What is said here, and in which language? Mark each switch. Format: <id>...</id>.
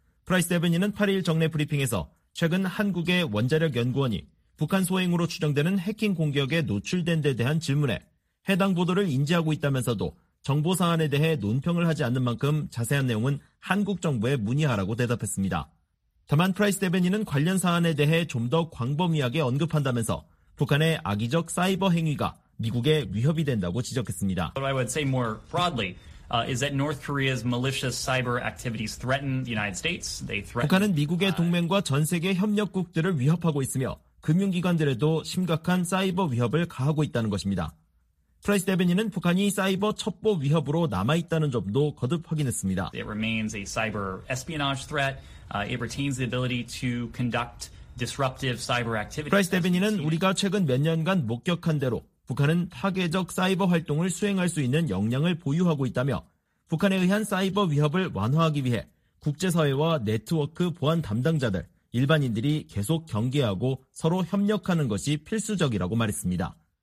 <ko>프라이스 대변인은 8일 정례 브리핑에서 최근 한국의 원자력연구원이 북한 소행으로 추정되는 해킹 공격에 노출된 데 대한 질문에 해당 보도를 인지하고 있다면서도 정보 사안에 대해 논평을 하지 않는 만큼 자세한 내용은 한국 정부에 문의하라고 대답했습니다. 다만 프라이스 대변인은 관련 사안에 대해 좀 더 광범위하게 언급한다면서 북한의 악의적 사이버 행위가 미국에 위협이 된다고 지적했습니다.</ko> <en>What I would say more broadly is that North Korea's malicious cyber activities threaten the United States. They threaten</en> <ko>북한은 미국의 동맹과 전 세계 협력국들을 위협하고 있으며 금융기관들에도 심각한 사이버 위협을 가하고 있다는 것입니다. 프라이스 대변인은 북한이 사이버 첩보 위협으로 남아있다는 점도 거듭 확인했습니다.</ko> <en>It remains a cyber espionage threat. It retains the ability to conduct disruptive cyber activities.</en> <ko>프라이스 대변인은 우리가 최근 몇 년간 목격한 대로 북한은 파괴적 사이버 활동을 수행할 수 있는 역량을 보유하고 있다며 북한에 의한 사이버 위협을 완화하기 위해 국제사회와 네트워크 보안 담당자들, 일반인들이 계속 경계하고 서로 협력하는 것이 필수적이라고 말했습니다.</ko>